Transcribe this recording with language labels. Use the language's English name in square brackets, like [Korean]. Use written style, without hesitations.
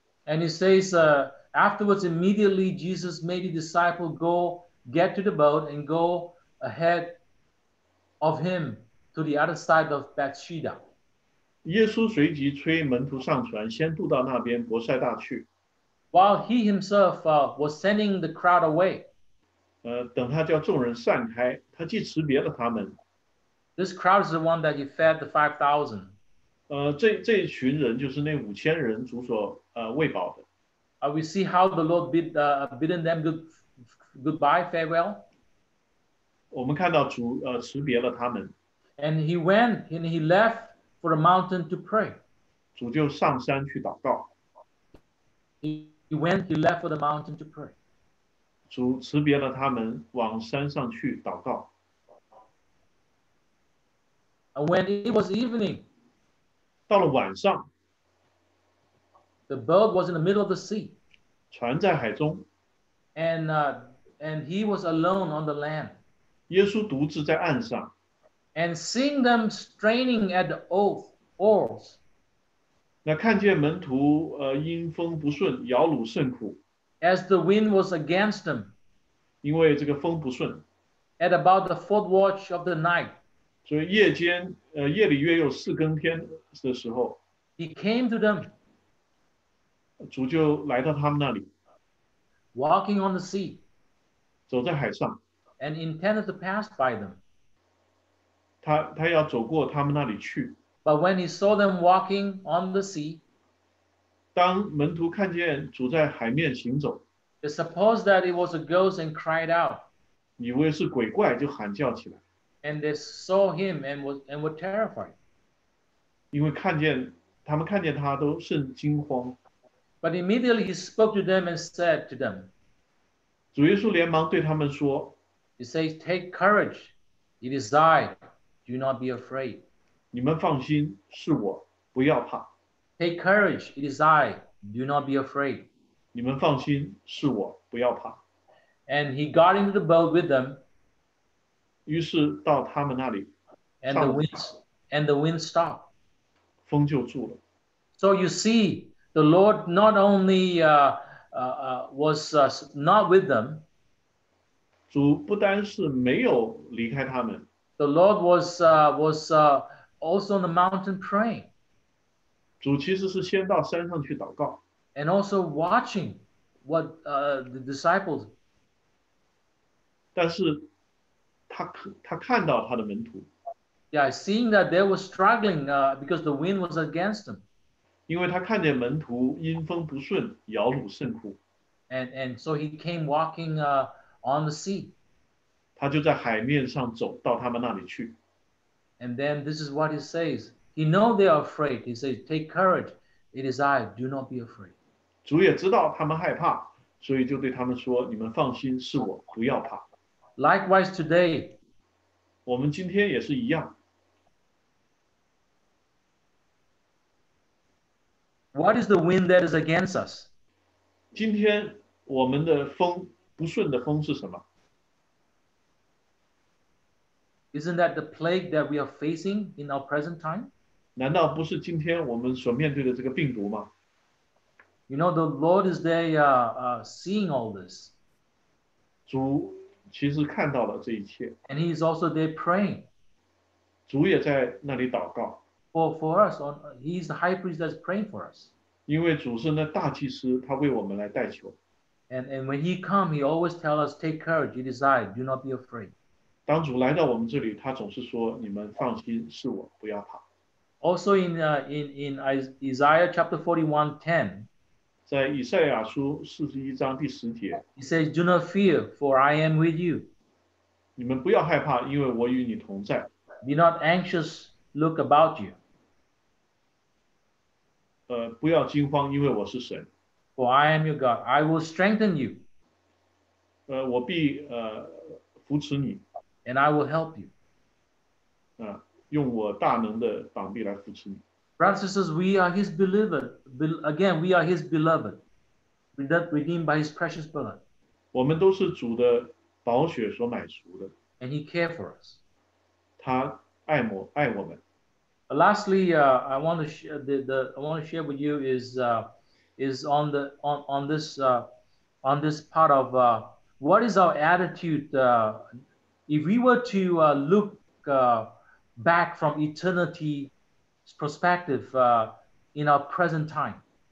[English] And it says, afterwards, immediately Jesus made the disciple go get to the boat and go ahead of him. To the other side of Bethsaida. [Chinese] 耶稣随即催门徒上船，先渡到那边伯赛大去。 [English] While he himself was sending the crowd away. [Chinese] 等他叫众人散开，他既辞别了他们。 [English] This crowd is the one that he fed the 5,000. [Chinese] 这群人就是那5,000人主所喂饱的。 [English] We see how the Lord bidden them goodbye, farewell. [Chinese] 我们看到主辞别了他们。 [English] And he went and he left for a mountain to pray. [Chinese] 主就上山去祷告。 [English] He went, he left for the mountain to pray. [Chinese] 主辞别了他们往山上去祷告。 [English] And when it was evening, [Chinese] 到了晚上, [English] the boat was in the middle of the sea. [Chinese] 船在海中。 [English] And he was alone on the land. [Chinese] 耶稣独自在岸上。 [English] And seeing them straining at the oars, [Chinese] 那看见门徒, 阴风不顺, 摇橹甚苦, [English] as the wind was against them, [Chinese] 因为这个风不顺, [English] at about the fourth watch of the night, [Chinese] 所以夜间, 夜里约有四更天的时候, [English] he came to them, [Chinese] 主就来到他们那里, [English] walking on the sea, [Chinese] 走在海上, [English] and intended to pass by them. [Chinese] 他要走过他们那里去。 [English] But when he saw them walking on the sea, [Chinese] 当门徒看见主在海面行走, [English] they supposed that it was a ghost and cried out. [Chinese] 以为是鬼怪, 就喊叫起来, [English] and they saw him and were terrified. [Chinese] 因为看见, 他们看见他都甚惊慌, [English] but immediately he spoke to them and said to them, [Chinese] 主耶稣连忙对他们说, [English] he says, take courage, it is I, do not be afraid. [Chinese] 你们放心, 是我, 不要怕。 [English] Take courage, it is I, do not be afraid. [Chinese] 你们放心, 是我, 不要怕。 [English] And he got into the boat with them. [Chinese] 于是到他们那里, [English] and the wind stopped. [Chinese] 风就住了。 [English] So you see, the Lord not only was not with them, [Chinese] 主不单是没有离开他们, [English] the Lord was also on the mountain praying. [Chinese] 主其实是先到山上去祷告, [English] and also watching what the disciples. [Chinese] 但是他看到他的门徒, [English] yeah, seeing that they were struggling because the wind was against them. [Chinese] 因为他看见门徒阴风不顺, 摇橹甚苦, [English] and so he came walking on the sea. [Chinese] 他就在海面上走, [English] and then this is what he says. He knows they are afraid. He says, take courage. It is I. Do not be afraid. [Chinese] 主也知道他们害怕, 所以就对他们说, 你们放心, 是我, 不要怕。 [English] Likewise today, [Chinese] 我们今天也是一样。 [English] What is the wind that is against us? [Chinese] 今天我们的风, 不顺的风是什么? [English] Isn't that the plague that we are facing in our present time? [Chinese] 难道不是今天我们所面对的这个病毒吗? [English] You know, the Lord is there seeing all this. [Chinese] 主其实看到了这一切。 [English] And he is also there praying. [Chinese] 主也在那里祷告。 [English] For us, he is the high priest that is praying for us. [Chinese] 因为主是那大祭司, 他为我们来代求。 [English] And when he comes, he always tells us, take courage, it is I, do not be afraid. [Chinese] 当主来到我们这里, 他总是说, 你们放心, 是我, 不要怕。 [English] Also in Isaiah chapter 41:10, [Chinese] 在以赛亚书41章第10节, [English] he says, do not fear, for I am with you. [Chinese] 你们不要害怕, 因为我与你同在。 [English] Be not anxious, look about you. [Chinese] 不要惊慌, 因为我是神。 [English] For I am your God, I will strengthen you. [Chinese] 我必扶持你。 [English] And I will help you. [Chinese] 用我大能的膀臂来扶持你。 [English] Brothers and sisters, we are his beloved. Again, we are his beloved. Redeemed by his precious blood. [Chinese] 我们都是主的宝血所买赎的。 [English] And he cared for us. [Chinese] 他爱我们。 [English] Lastly, I want to share with you is on this part of what is our attitude if we were to look back from eternity's perspective in our present time.